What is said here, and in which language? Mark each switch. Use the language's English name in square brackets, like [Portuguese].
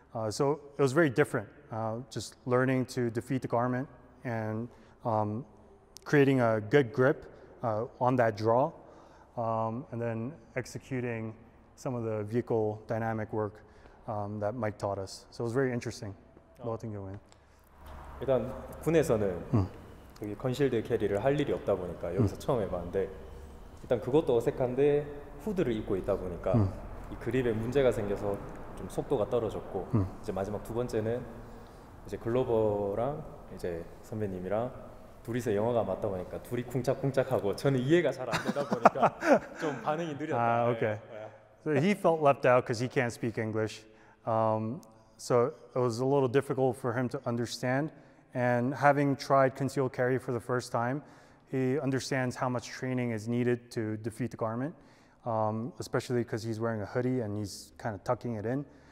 [English] So it was very different, just learning to defeat the garment and creating a good grip on that draw, and then executing some of the vehicle dynamic work that Mike taught us. So it was very interesting. [Korean] 같은 경우에는 일단 군에서는 여기 건실드 캐리를 할 일이 없다 보니까 여기서 처음 해봤는데 일단 그것도 어색한데 후드를 입고 있다 보니까 이 그립에 문제가 생겨서 좀 속도가 떨어졌고 이제 마지막 두 번째는 이제 글로버랑 이제 선배님이랑 둘이서 영어가 맞다 보니까 둘이 쿵짝쿵짝하고 저는 이해가 잘 안 되다 보니까 좀 반응이 느렸다. 아, 오케이. [English] So he felt left out because he can't speak English. So it was a little difficult for him to understand. And having tried concealed carry for the first time, he understands how much training is needed to defeat the garment, especially because he's wearing a hoodie and he's kind of tucking it in.